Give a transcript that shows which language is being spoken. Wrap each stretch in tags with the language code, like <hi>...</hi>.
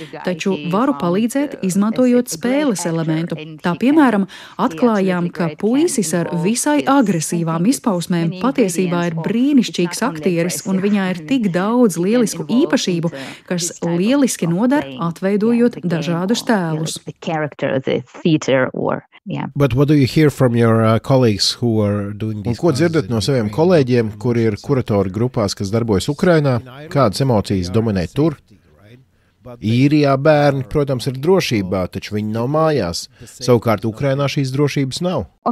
<lv>Taču varu palīdzēt, izmantojot spēles elementu. Tā piemēram, atklājām, ka puisis ar visai agresīvām izpausmēm patiesībā ir brīnišķīgs aktieris, un viņā ir tik daudz lielisku īpašību, kas lieliski noder, atveidojot dažādus tēlus.</lv> <en>But what do you hear from your colleagues who are doing this?</en> <lv>Ko dzirdat no saviem kolēģiem, kuri ir kuratori grupās, kas darbojas Ukrainā? Kādas emocijas dominē tur? Īrijā bērni, protams, ir drošībā, taču viņi nav mājās. Savukārt Ukrainā šīs drošības nav.</lv>